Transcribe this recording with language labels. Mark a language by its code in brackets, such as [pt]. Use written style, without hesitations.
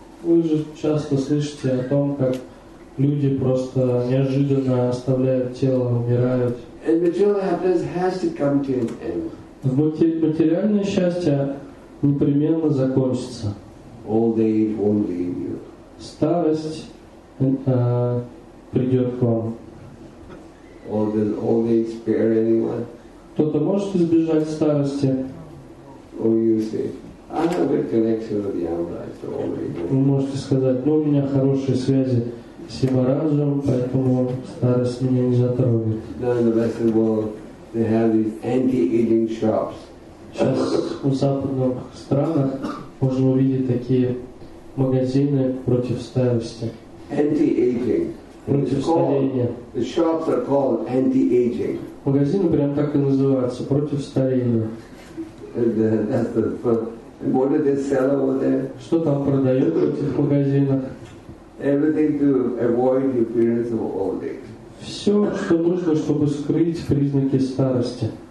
[ru] Вы же часто слышите о том, как люди просто неожиданно оставляют тело, умирают. [en] And material happiness has to come to an end. [ru] Материальное счастье непременно закончится. [en] Old age won't leave you. [ru] Старость придет к вам. [en] Or does old age spare anyone? [ru] Кто-то может избежать старости? [en] Or you say, I have a good connection with Yamaraja, so old age. [ru] Вы можете сказать, у меня хорошие связи с Ямараджем, поэтому старость меня не затронет. [en] Now in the Western world, they have these anti-aging shops. [ru] Сейчас в западных странах можно увидеть такие магазины против старости. [en] Anti-aging. [ru] Против старения. [en] The shops are called anti-aging. [ru] Магазины прям так и называются, против старения. [en] What do they sell over there? [ru] Что там продают в этих магазинах? [en] Everything to avoid the appearance of old age. [ru] Все, что нужно, чтобы скрыть признаки старости.